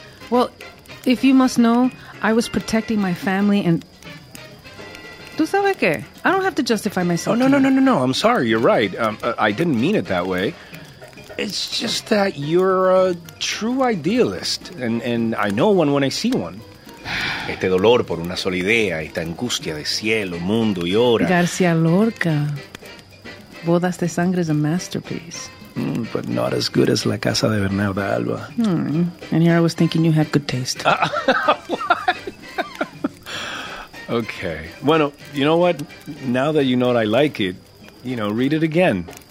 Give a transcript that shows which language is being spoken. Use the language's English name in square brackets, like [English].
[English] Well, if you must know, I was protecting my family and... [Spanish] ¿Tú sabes qué? [English] I don't have to justify myself. No. I'm sorry, you're right. I didn't mean it that way. It's just that you're a true idealist, and I know one when I see one. [Spanish] Este dolor por una sola idea, esta angustia de cielo, mundo y hora. [English] García Lorca. Bodas de Sangre is a masterpiece. But not as good as La Casa de Bernal de Alba. And here I was thinking you had good taste. Okay. [Spanish] Bueno, [English] you know what? Now that you know what I like it, you know, read it again.